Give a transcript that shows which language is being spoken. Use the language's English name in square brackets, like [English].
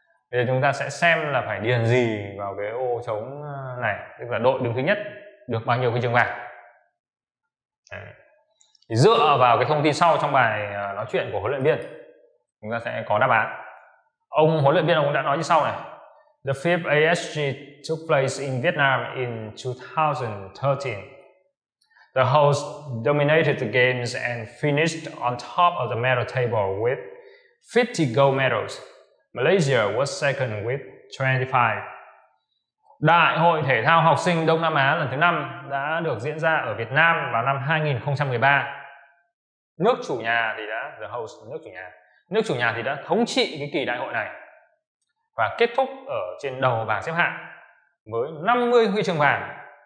[Vietnamese] Bây giờ chúng ta sẽ xem là phải điền gì vào cái ô trống này, tức là đội đứng thứ nhất được bao nhiêu huy chương vàng. Thì dựa vào cái thông tin sau trong bài nói chuyện của huấn luyện viên, chúng ta sẽ có đáp án. Ông huấn luyện viên ông đã nói như sau này. [English] The fifth ASG took place in Vietnam in 2013. The host dominated the games and finished on top of the medal table with 50 gold medals. Malaysia was second with 25. [Vietnamese] Đại hội thể thao học sinh Đông Nam Á lần thứ 5 đã được diễn ra ở Việt Nam vào năm 2013. Nước chủ nhà thì đã nước chủ nhà thì đã thống trị cái kỳ đại hội này và kết thúc ở trên đầu bảng xếp hạng với 50 huy chương vàng.